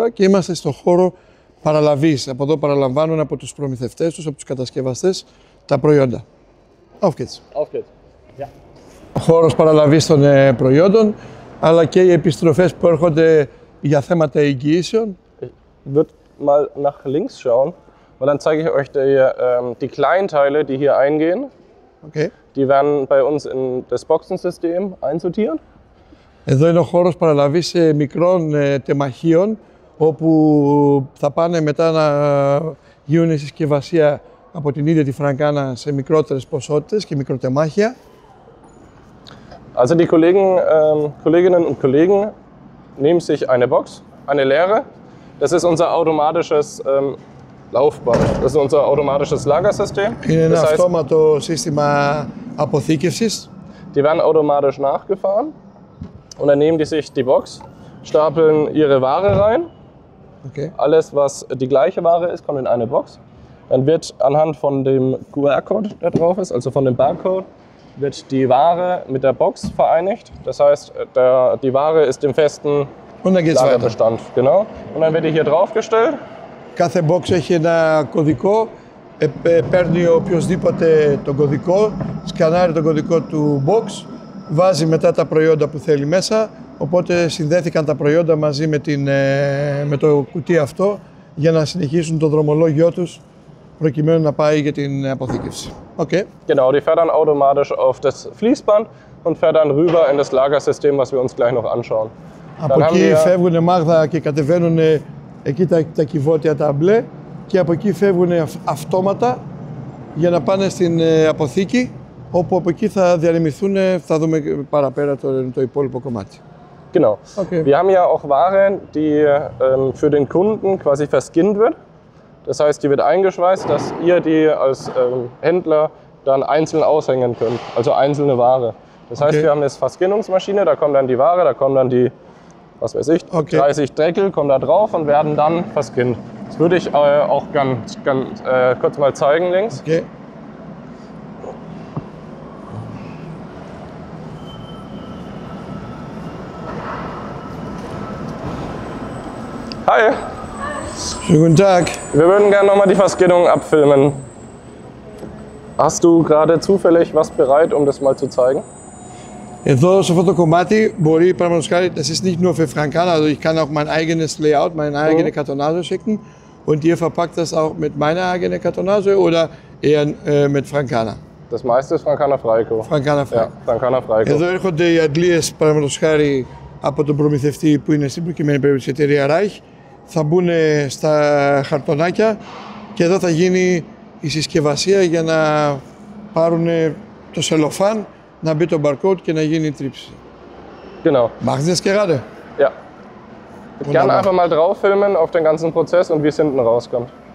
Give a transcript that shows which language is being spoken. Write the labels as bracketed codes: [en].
[el] Και είμαστε στο χώρο παραλαβής. Από εδώ παραλαμβάνουν από τους προμηθευτές τους, από τους κατασκευαστές τα προϊόντα. [de] Auf geht's. Auf geht's. [el] Ο χώρος παραλαβής των προϊόντων, αλλά και οι επιστροφές που έρχονται για θέματα εγγυήσεων. [de] Ich würde mal nach links schauen, weil dann zeige ich euch die kleinen Teile, die hier eingehen. Okay. Die werden bei uns in das Boxensystem einsortiert. [el] Εδώ είναι ο χώρος παραλαβής μικρών τεμαχίων, όπου θα πάνε μετά να γίνουν συσκευασία από την ίδια τη Φραγκάνα σε μικρότερες ποσότητες και μικροτεμάχια. [de] Also die Kolleginnen und Kollegen nehmen sich eine Box, eine leere. Das ist unser automatisches Laufband. Das ist unser automatisches Lagersystem. [el] Είναι ένα αυτόματο σύστημα αποθήκευσης. [de] Die werden automatisch nachgefahren und dann nehmen die sich die Box, stapeln ihre Ware rein. Okay. Alles, was die gleiche Ware ist, kommt in eine Box. Dann wird anhand von dem QR-Code, der drauf ist, also von dem Barcode, wird die Ware mit der Box vereinigt. Das heißt, die Ware ist im festen Lagerbestand. Genau. Und dann wird die hier draufgestellt. [el] Κάθε Box έχει ένα κωδικό. Παίρνει οποιοδήποτε τον κωδικό, σκανάρει τον κωδικό του Box, βάζει μετά τα προϊόντα που θέλει μέσα. Οπότε συνδέθηκαν τα προϊόντα μαζί με το κουτί αυτό για να συνεχίσουν το δρομολόγιο τους προκειμένου να πάει για την αποθήκευση. [de] Okay. Genau, die fährt dann automatisch auf das Fließband und fährt dann rüber in das Lagersystem, was wir uns gleich noch anschauen. [el] Από εκεί φεύγουν Μάγδα και κατεβαίνουν εκεί τα κυβότια τα μπλε και από εκεί φεύγουν αυτόματα για να πάνε στην αποθήκη, όπου από εκεί θα διανεμηθούν, θα δούμε παραπέρα το υπόλοιπο κομμάτι. [de] Genau. Okay. Wir haben ja auch Ware, die für den Kunden quasi verskinnt wird. Das heißt, die wird eingeschweißt, dass ihr die als Händler dann einzeln aushängen könnt, also einzelne Ware. Das heißt, wir haben eine Verskinnungsmaschine, da kommt dann die Ware, da kommen dann die, was weiß ich, 30 Dreckel, kommen da drauf und werden dann verskinnt. Das würde ich auch ganz kurz mal zeigen links. Okay. Hi. Schönen guten Tag. Wir würden gerne nochmal die Verskinnung abfilmen. Hast du gerade zufällig was bereit, um das mal zu zeigen? [el] Εδώ, σε αυτό το κομμάτι, μπορεί, πραγματικά, [de] das ist nicht nur für Frankana, also ich kann auch mein eigenes Layout, meine eigene Kartonage schicken. Und ihr verpackt das auch mit meiner eigenen Kartonage oder eher mit Francana? Das meiste ist Francana Freiko. Francana Freiko. Ja, Francana Freiko. [el] Εδώ έρχονται οι αντλίες, παραδείγματος χάρη, από τον προμηθευτή που είναι στην προκειμένη περίπτωση εταιρεία Reich. Θα μπουν στα χαρτονάκια και εδώ θα γίνει η συσκευασία για να πάρουν το σελοφάν, να μπει το barcode και να γίνει η τρύψη. [de] Genau. Machen Sie das gerade? Ja. Gerne einfach mal drauf filmen auf den ganzen Prozess und wie es hinten rauskommt.